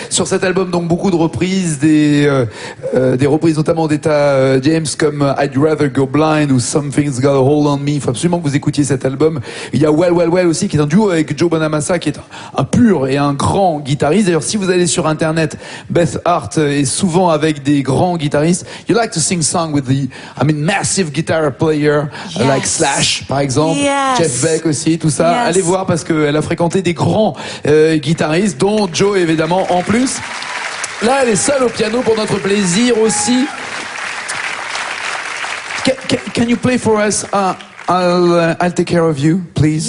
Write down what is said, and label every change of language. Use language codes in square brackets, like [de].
[fr] Sur cet album, donc beaucoup de reprises, des reprises notamment d'État James comme I'd Rather Go Blind ou Something's Got a Hold on Me. Il faut absolument que vous écoutiez cet album. Il y a Well Well Well aussi qui est un duo avec Joe Bonamassa qui est un pur et un grand guitariste. D'ailleurs, si vous allez sur internet, Beth Hart est souvent avec des grands guitaristes. [en] You like to sing song with the, I mean, massive guitar player, yes, like [fr] Slash par exemple, [en] yes. [fr] Jeff Beck aussi. Tout ça, [en] yes. [fr] Allez voir parce qu'elle a fréquenté des grands guitaristes, dont Joe évidemment en plus. Là, elle est seule au piano pour notre plaisir aussi. [en] Can you play for us? I'll take care of you, please.